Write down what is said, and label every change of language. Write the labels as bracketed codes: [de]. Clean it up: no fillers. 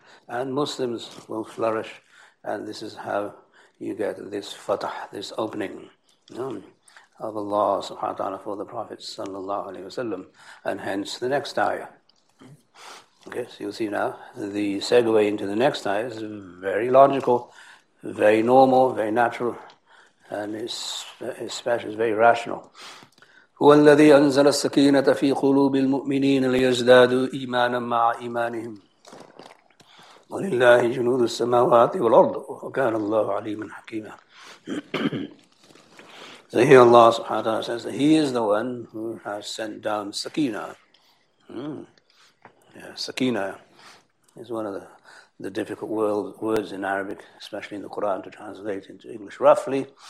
[en] And Muslims will flourish. And this is how you get this fatah, this opening of Allah subhanahu wa ta'ala for the Prophet sallallahu alayhi wa sallam. And hence the next ayah. Okay, so you'll see now the segue into the next ayah is very logical, very normal, very natural. And especially very rational. [ar] هو الذي أنزل السكينة في قلوب المؤمنين ليزدادوا إيمانا مع إيمانهم ولله جنود السماوات والأرض وكان الله عليما حكيما. [en] So here Allah subhanahu wa ta'ala says that He is the one who has sent down sakīnah. Sakīnah is one of the difficult words in Arabic, especially in the Quran, to translate into English roughly.